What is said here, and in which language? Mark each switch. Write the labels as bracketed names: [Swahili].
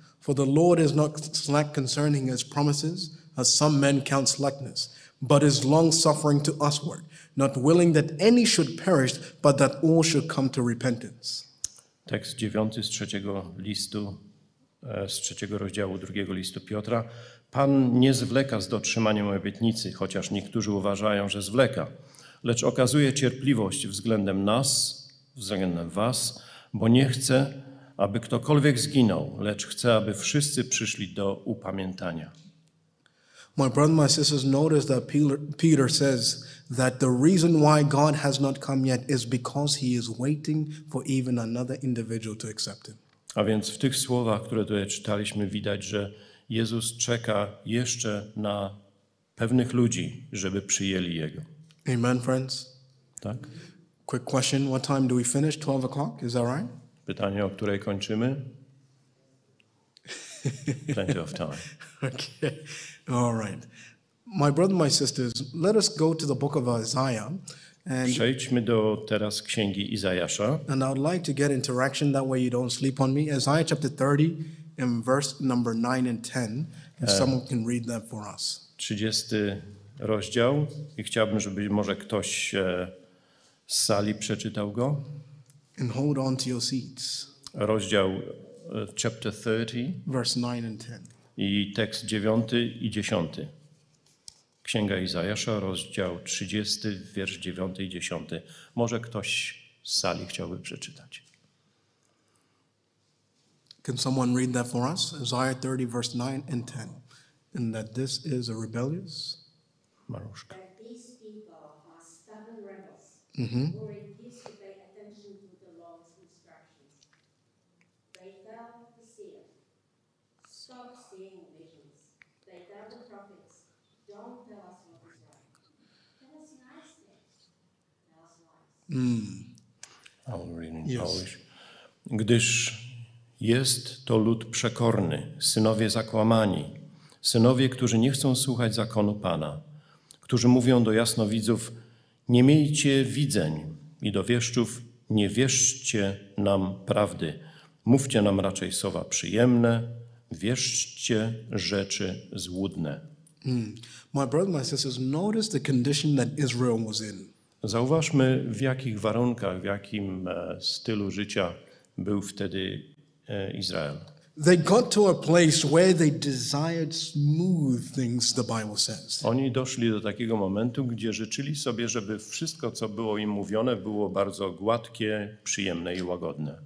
[English] For the Lord is not slack concerning his promises, as some men count slackness, but is long-suffering to usward, not willing that any should perish, but that all should come to repentance. [Polish] Tekst 9 z trzeciego listu, z trzeciego rozdziału drugiego listu Piotra. Pan nie zwleka z dotrzymaniem obietnicy, chociaż niektórzy uważają, że zwleka, lecz okazuje cierpliwość względem nas, względem was, bo nie chce, aby ktokolwiek zginął, lecz chce, aby wszyscy przyszli do upamiętania. [English] My brother, my sisters, notice that Peter says that the reason why God has not come yet is because he is waiting for even another individual to accept him. [Polish] A więc w tych słowach, które tutaj czytaliśmy, widać, że Jezus czeka jeszcze na pewnych ludzi, żeby przyjęli Jego. [English] Amen, friends. [Polish] Tak. [English] Quick question, what time do we finish? 12 o'clock, is that right? [Polish] Pytanie, o której kończymy? [English] Plenty of time. Okay. All right. My brother, my sisters, let us go to the book of Isaiah. And [Polish] przejdźmy do teraz księgi Izajasza. [English] And I'd like to get interaction that way you don't sleep on me. Isaiah chapter 30 in verse number 9 and 10. If someone can read that for us. [Polish] 30 rozdział i chciałbym, żeby może ktoś z sali przeczytał go. [English] And hold on to your seats. [Polish] Rozdział [English] chapter [Polish] 30 [English] verse 9 and 10. [Polish] I tekst 9 i 10. Księga Izajasza, rozdział 30, wiersz 9 i 10. Może ktoś z sali chciałby przeczytać. [English] Can someone read that for us? Isaiah 30, verse 9 and 10. And that this is a rebellious... Maruszka. That these people are stubborn rebels, mm-hmm. Who refuse to pay attention to the Lord's instructions. They fell to see it. Stop seeing visions. They tell the prophets. Don't tell us what is right. Tell us nice things. Tell us lies. I'll read in Polish. [Polish] Gdyż jest to lud przekorny, synowie zakłamani, synowie, którzy nie chcą słuchać zakonu Pana, którzy mówią do jasnowidzów, nie miejcie widzeń i do wieszczów, nie wierzcie nam prawdy. Mówcie nam raczej słowa przyjemne, wierzcie rzeczy złudne. [English] My brother, my sisters, notice the condition that Israel was in. [Polish] Zauważmy, w jakich warunkach, w jakim stylu życia był wtedy Izrael. [English] They got to a place where they desired smooth things, the Bible says. [Polish] Oni doszli do takiego momentu, gdzie życzyli sobie, żeby wszystko, co było im mówione, było bardzo gładkie, przyjemne i łagodne.